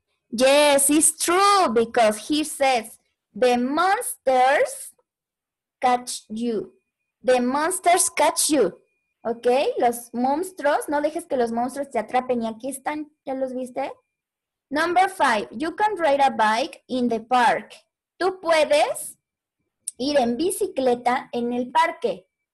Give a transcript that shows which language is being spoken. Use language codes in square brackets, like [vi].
[en] Yes, it's true because he says, the monsters catch you. The monsters catch you. ¿Ok? [es] Los monstruos, no dejes que los monstruos te atrapen. Y aquí están, ¿ya los viste? [en] Number five, you can ride a bike in the park. [es] Tú puedes ir en bicicleta en el parque.